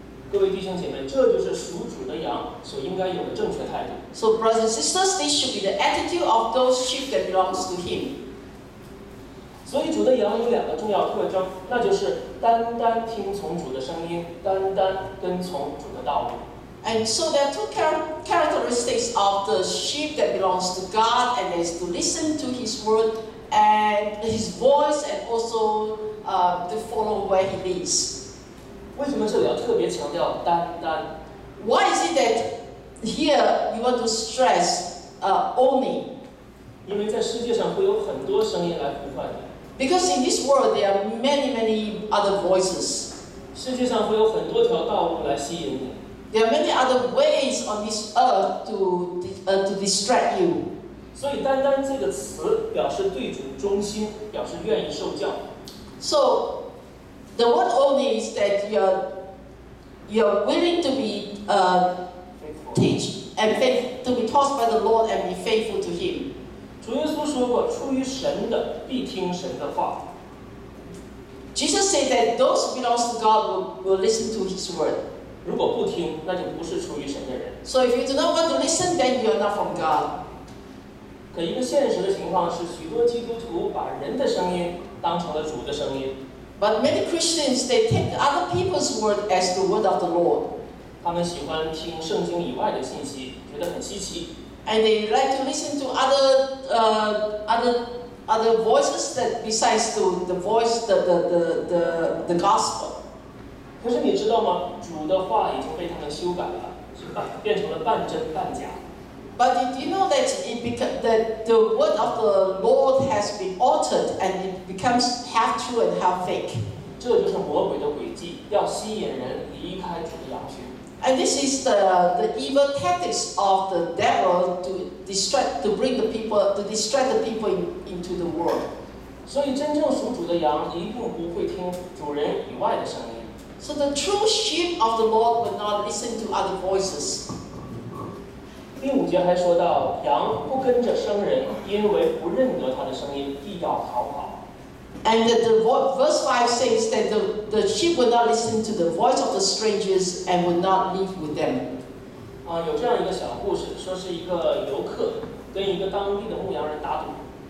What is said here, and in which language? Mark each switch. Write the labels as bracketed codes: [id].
[zh] 各位弟兄姐妹，这就是属主的羊所应该有的正确态度。 [en] So brothers and sisters, this should be the attitude of those sheep that belongs to him. [zh] 所以主的羊有两个重要特征，那就是单单听从主的声音，单单跟从主的道路。 [en] And so there are two characteristics of the sheep that belongs to God, and is to listen to His word and His voice, and also to follow where He leads. [zh] 为什么这里要特别强调单单 [en] ？Why is it that here you want to stress only? [zh] 因为在世界上会有很多声音来呼唤你。 [en] Because in this world, there are many, many other voices. [zh] 世界上会有很多条道路来吸引你。 [en] There are many other ways on this earth to distract you. [zh] 所以单单这个词表示对主忠心，表示愿意受教。 [en] So the word only is that you're willing to be teach and faith to be taught by the Lord and be faithful to Him. [zh] 主耶稣说过，出于神的必听神的话。 [en] Jesus said that those who belong to God will listen to His word. [zh] 如果不听，那就不是出于神的人。 [en] So if you do not want to listen, then you are not from God. [zh] 可一个现实的情况是，许多基督徒把人的声音当成了主的声音。 [en] But many Christians they take other people's word as the word of the Lord. [zh] 他们喜欢听圣经以外的信息，觉得很稀奇。 [en] And they like to listen to other voices that besides to the voice the gospel. [zh] 可是你知道吗？主的话已经被他们修改了，是变成了半真半假。 [en] But did you know that that the word of the Lord has been altered and it becomes half true and half fake? [zh] 这就是魔鬼的诡计，要吸引人离开主的羊群。 [en] And this is the evil tactics of the devil to distract the people into the world. [zh] 所以真正属主的羊一定不会听主人以外的声音。 [en] So the true sheep of the Lord will not listen to other voices. [zh] 第五节还说到，羊不跟着生人，因为不认得他的声音，必要逃跑。 [en] And the verse 5 says that the sheep would not listen to the voice of the strangers and would not leave with them. [zh] 有这样一个小故事，说是一个游客跟一个当地的牧羊人打赌。